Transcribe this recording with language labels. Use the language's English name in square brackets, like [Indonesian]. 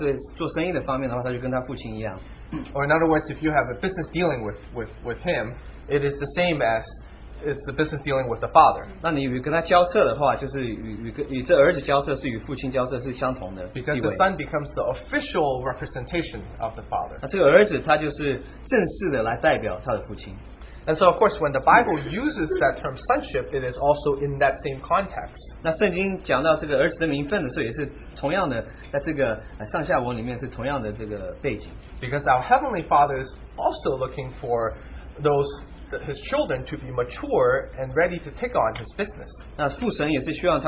[Chinese] 那就在你的家庭来说的话，讲到这做生意的方面的话，他就跟他父亲一样。 [English] Or in other words, if you have a business dealing with him, it is the same as it's the business dealing with the father. [Chinese] 那你与跟他交涉的话，就是与这儿子交涉，是与父亲交涉，是相同的地位。 [English] Because the son becomes the official representation of the father. [Chinese] 那这个儿子他就是正式的来代表他的父亲。 [English] And so, of course, when the Bible uses that term sonship, it is also in that same context. [Chinese] 那圣经讲到这个儿子的名分的时候，也是同样的，在这个上下文里面是同样的这个背景。 [English] Because our Heavenly Father is also looking for those His children to be mature and ready to take on His business.